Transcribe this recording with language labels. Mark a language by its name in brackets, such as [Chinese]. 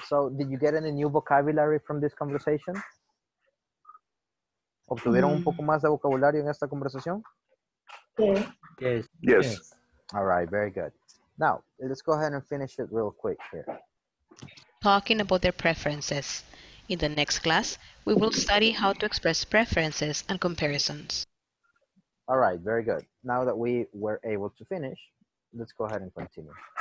[English] So, did you get any new vocabulary from this conversation? [Spanish] ¿Obtuvieron un poco más de vocabulario en esta conversación? [English] Yes. All right, very good. Now, let's go ahead and finish it real quick here. Talking about their preferences. In the next class, we will study how to express preferences and comparisons. All right, very good. Now that we were able to finish, let's go ahead and continue.